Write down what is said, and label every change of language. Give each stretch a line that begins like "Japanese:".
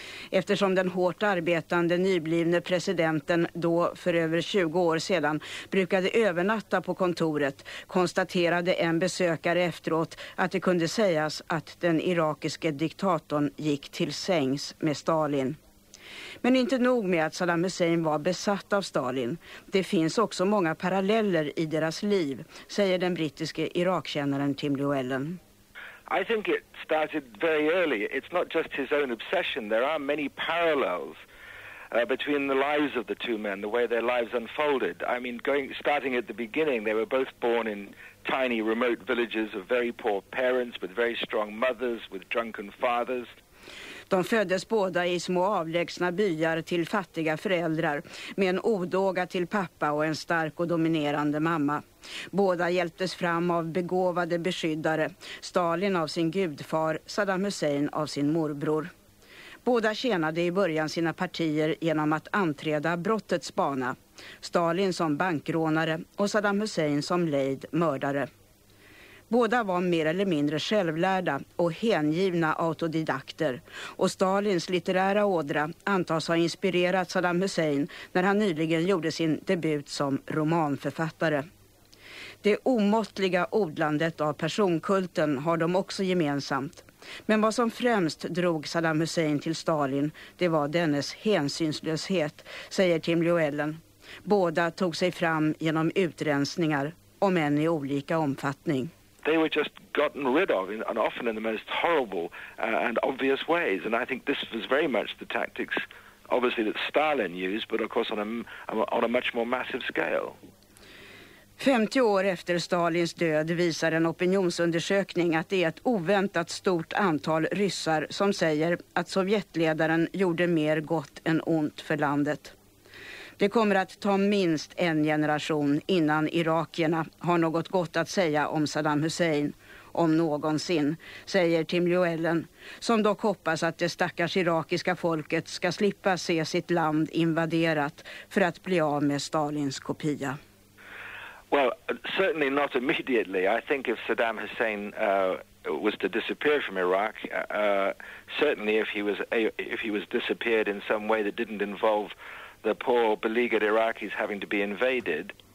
Swedish: Eftersom den hårt arbetande nyblivne presidenten då för över 20 år sedan brukade övernatta på kontoret, konstaterade en besökare efteråt att det kunde sägas att den irakiske diktatorn gick till sängs med Stalin. Men inte nog med att Saddam Hussein var besatt av Stalin. Det finns också många paralleller i deras liv, säger den brittiske Irakkännaren Tim Llewellyn.
English: I think it started very early. It's not just his own obsession. There are many parallels between the lives of the two men, the way their lives unfolded. I mean, starting at the beginning, they were both born in tiny remote villages of very poor parents with very strong mothers, with drunken fathers.
Swedish: De föddes båda i små avlägsna byar till fattiga föräldrar med en odåga till pappa och en stark och dominerande mamma. Båda hjälptes fram av begåvade beskyddare, Stalin av sin gudfar, Saddam Hussein av sin morbror. Båda tjänade i början sina partier genom att anträda brottets bana, Stalin som bankrånare och Saddam Hussein som lejd mördare. Båda var mer eller mindre självlärda och hängivna autodidakter. Och Stalins litterära ådra antas ha inspirerat Saddam Hussein när han nyligen gjorde sin debut som romanförfattare. Det omåttliga odlandet av personkulten har de också gemensamt. Men vad som främst drog Saddam Hussein till Stalin, det var dennes hänsynslöshet, säger Tim Llewellyn. Båda tog sig fram genom utrensningar, om än i olika omfattning.
English: They were just gotten rid of, and often in the most horrible and obvious ways. And I think this was very much the tactics, obviously, that Stalin used, but of course on a much more massive scale.
Swedish: 50 år efter Stalins död visar en opinionsundersökning att det är ett oväntat stort antal ryssar som säger att sovjetledaren gjorde mer gott än ont för landet. Det kommer att ta minst en generation innan irakierna har något gott att säga om Saddam Hussein, om någonsin, säger Tim Llewellyn, som dock hoppas att det stackars irakiska folket ska slippa se sitt land invaderat för att bli av med Stalins kopia.
English: Well, certainly not immediately. I think if Saddam Hussein was to disappear from Iraq, certainly if he was disappeared in some way that didn't involve the poor beleaguered Iraqis having to be invaded.